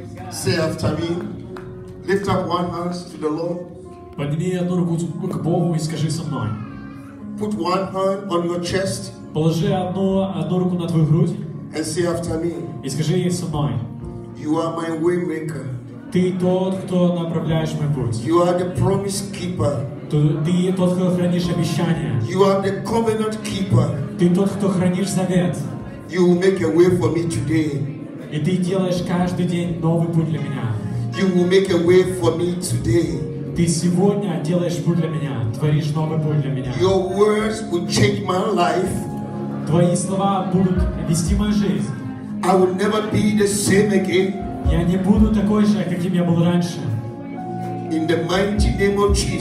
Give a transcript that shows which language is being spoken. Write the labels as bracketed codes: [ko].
[en] say after me, lift up one hand to the Lord. [ru] Подними одну руку к Богу и скажи со мной. [en] Put one hand on your chest. [ru] Положи одну руку на твою грудь. [en] And say after me. [ru] И скажи со мной. [en] You are my way maker. [ru] Ты тот, кто направляешь мой путь. [en] You are the promise keeper. [ru] Ты тот, кто хранишь обещания. [en] You are the covenant keeper. [ru] Ты тот, кто хранишь завет. [en] You will make a way for me today. [ru] И ты делаешь каждый день новый путь для меня. [en] You will make a way for me today. [ru] Ты сегодня делаешь путь для меня, творишь новый путь для меня. [en] Your words will change my life. [ru] Твои слова будут вести мою жизнь. [en] I will never be the same again. [ru] Я не буду такой же, каким я был раньше. [en] In the mighty name of Jesus.